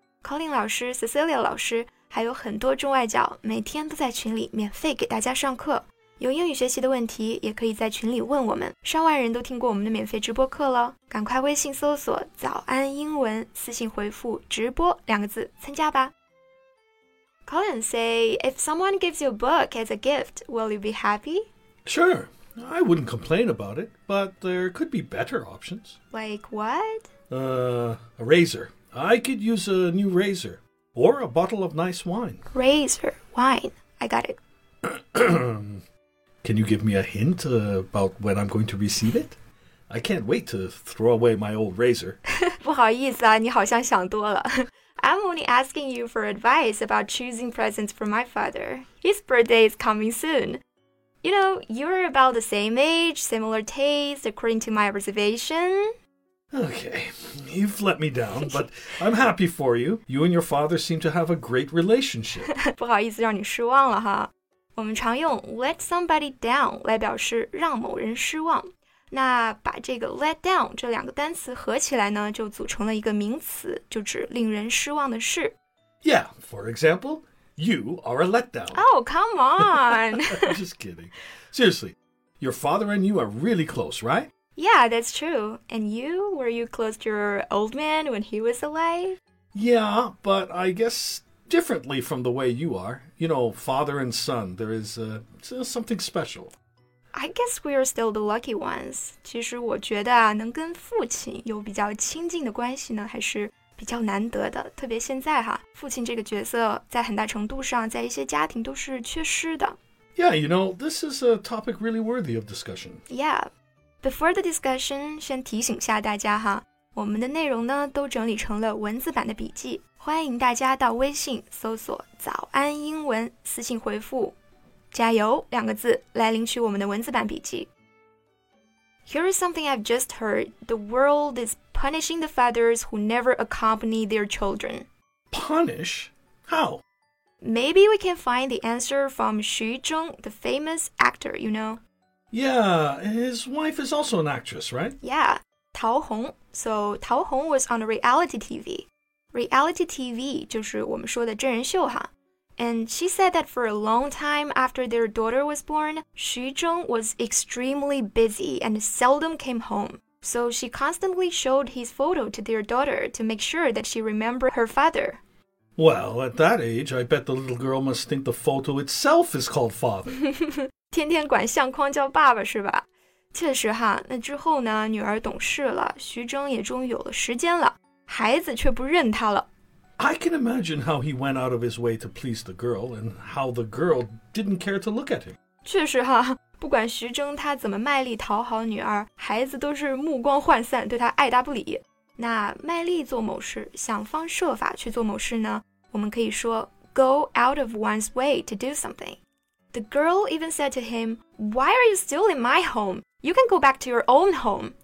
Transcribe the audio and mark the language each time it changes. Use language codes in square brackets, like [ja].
[zh] Colin 老师、 Cecilia 老师还有很多中外教每天都在群里免费给大家上课，有英语学习的问题也可以在群里问我们，上万人都听过我们的免费直播课了，赶快微信搜索早安英文，私信回复直播两个字参加吧。 [en] Colin, say, if someone gives you a book as a gift, will you be happy? Sure, I wouldn't complain about it, but there could be better options. Like what? A razor. I could use a new razor. Or a bottle of nice wine. Razor, wine, I got it. Can you give me a hint about when I'm going to receive it? I can't wait to throw away my old razor. [zh] 不好意思啊，你好像想多了。 [en] I'm only asking you for advice about choosing presents for my father. His birthday is coming soon. You know, you're about the same age, similar taste, according to my observation. Okay, you've let me down, but I'm happy for you. You and your father seem to have a great relationship. [zh] 不好意思让你失望了哈。我们常用 [en] let somebody down [zh] 来表示让某人失望。那把这个 let down 这两个单词合起来呢，就组成了一个名词，就指令人失望的事。 [en] Yeah, for example, you are a letdown. Oh, come on! Just kidding. Seriously, your father and you are really close, right? Yeah, that's true. And you, were you close to your old man when he was alive? Yeah, but I guess... differently from the way you are. You know, father and son, there is something special. I guess we are still the lucky ones. [zh] 其实我觉得啊，能跟父亲有比较亲近的关系呢，还是比较难得的。特别现在哈，父亲这个角色在很大程度上在一些家庭都是缺失的。 [en] Yeah, you know, this is a topic really worthy of discussion. Yeah. Before the discussion, [zh] 先提醒下大家哈，我们的内容呢都整理成了文字版的笔记，欢迎大家到微信搜索早安英文，私信回复加油两个字来领取我们的文字版笔记。 [en] Here is something I've just heard. The world is punishing the fathers who never accompany their children. Punish? How? Maybe we can find the answer from Xu Zhong, the famous actor, you know. Yeah, his wife is also an actress, right? Yeah, Tao Hong. So Tao Hong was on a reality TV. [zh] Reality TV 就是我们说的真人秀哈。 [en] And she said that for a long time after their daughter was born, Xu Zhong was extremely busy and seldom came home. So she constantly showed his photo to their daughter to make sure that she remembered her father. Well, at that age, I bet the little girl must think the photo itself is called father. [zh] 天天管相框叫爸爸是吧？确实哈，那之后呢，女儿懂事了，徐峥也终于有了时间了。孩子却不认他了。 [en] I can imagine how he went out of his way to please the girl and how the girl didn't care to look at him. [zh] 确实哈，不管徐峥他怎么卖力讨好女儿，孩子都是目光涣散，对他爱答不理。那卖力做某事，想方设法去做某事呢，我们可以说 [en] go out of one's way to do something. The girl even said to him, why are you still in my home? You can go back to your own home.